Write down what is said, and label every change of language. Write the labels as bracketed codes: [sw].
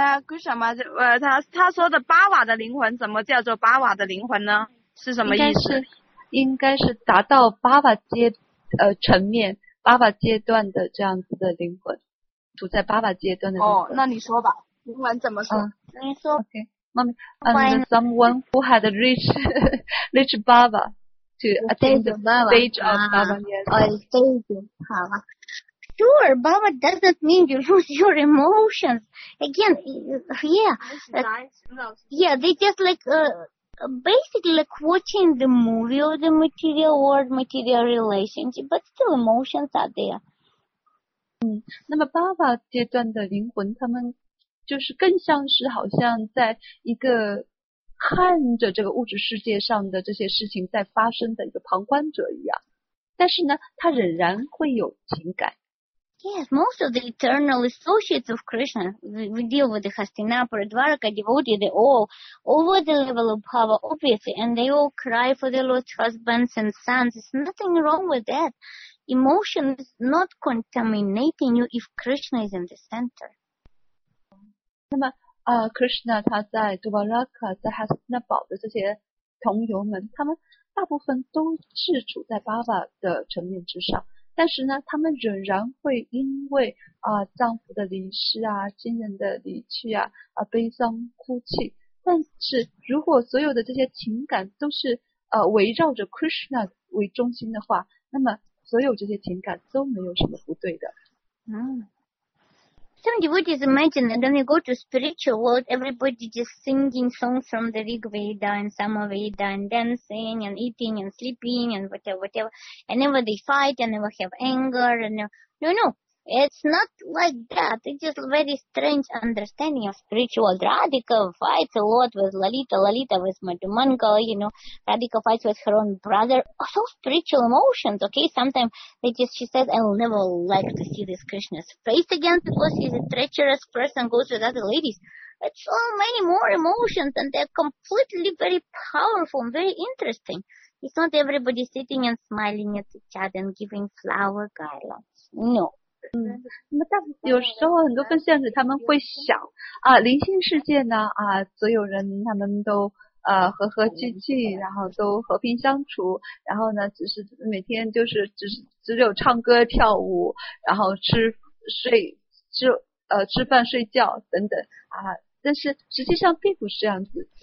[zh] 啊，为什么他说的巴瓦的灵魂怎么叫做巴瓦的灵魂呢？是什么意思？应该是达到巴瓦阶层面，巴瓦阶段的这样子的灵魂，处在巴瓦阶段的灵魂。那你说吧，灵魂怎么说？你说。 [en] Someone who had reached Bava to attain the stage of Bava. Stage. 好啊。 Sure, Baba doesn't mean you lose your emotions. Again, they just basically like watching the movie of the material world, material relationship, but still emotions are there. [zh] 那么 Baba 阶段的灵魂，他们就是更像是好像在一个看着这个物质世界上的这些事情在发生的一个旁观者一样，但是呢，他仍然会有情感。 [en] Yes, most of the eternal associates of Krishna, we deal with the Hastinapura, Dwaraka devotee, they all over the level of Bhava, obviously, and they all cry for their lost husbands and sons. There's nothing wrong with that. Emotion is not contaminating you if Krishna is in the center. [zh] 那么Krishna 他在 Dwaraka, 在 Hastinapura 的这些同游们，他们大部分都是处在 Bhava 的层面之上。但是呢，他们仍然会因为丈夫的离世啊，亲人的离去啊，悲伤哭泣，但是如果所有的这些情感都是围绕着 Krishna 为中心的话，那么所有这些情感都没有什么不对的。嗯。 [en] Some devotees imagine that when they go to spiritual world, everybody just singing songs from the Rig Veda and Sama Veda and dancing and eating and sleeping and whatever, whatever. And never they fight and never have anger and no. It's not like that. It's just a very strange understanding of spiritual. Radhika fights a lot with Lalita, Lalita with Madhumangala, you know. Radhika fights with her own brother. So spiritual emotions, okay? Sometimes she says, I will never like to see this Krishna's face again because he's a treacherous person, goes with other ladies. It's so many more emotions and they're completely very powerful and very interesting. It's not everybody sitting and smiling at each other and giving flower garlands. No. [zh] 嗯，那么大部分有时候很多分享者他们会想啊，灵性世界呢啊，所有人他们都和和气气，然后都和平相处，然后呢只是每天就是只有唱歌跳舞，然后吃饭睡觉等等啊，但是实际上并不是这样子。